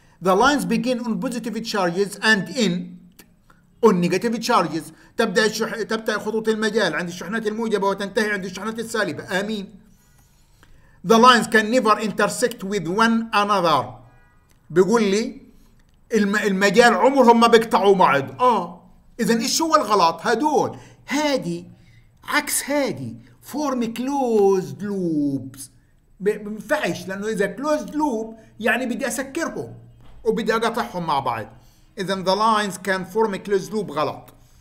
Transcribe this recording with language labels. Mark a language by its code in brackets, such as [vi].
[en] The lines begin on positive charges and end on negative charges. [ar] تبدأ تبدأ خطوط المجال عند الشحنات الموجبة وتنتهي عند الشحنات السالبة. آمين. [en] The lines can never intersect with one another. [ar] بيقول لي المجال عمرهم ما بيقطعوا بعض. إذن إيش هو الغلط؟ هدول هادي عكس هادي. [en] Form closed loops. [ar] بنفعش لأنه إذا closed loop يعني بدي أسكرهم. وبدي أقطعهم مع بعض. إذن [en] the lines can form a closed loop [ar] غلط.